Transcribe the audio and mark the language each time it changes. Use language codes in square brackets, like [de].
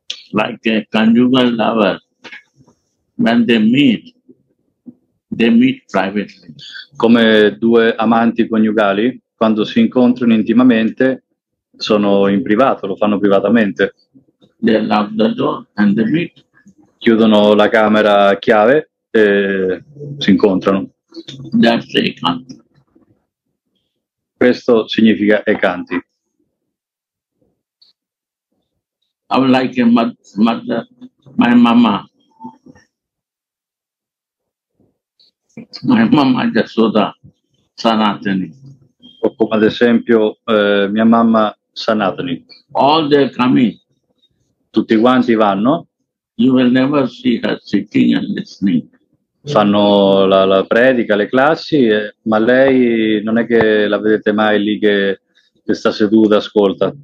[en] Like a conjugal lover, when they meet privately. [it] Come due amanti coniugali, quando si incontrano intimamente, sono in privato, lo fanno privatamente. [en] they lock the door and they meet. [it] Chiudono la camera a chiave e si incontrano. [en] That's Ekanti. [it] Questo significa Ekanti. [en] I would like a mother, my mama. My mama Yashoda Sanatani. [it] O come ad esempio mia mamma Sanatani. [en] All they come in. [it] Tutti quanti vanno. [en] You will never see her sitting and listening. [it] Fanno la predica, le classi, ma lei non è che la vedete mai lì che sta seduta, ascolta.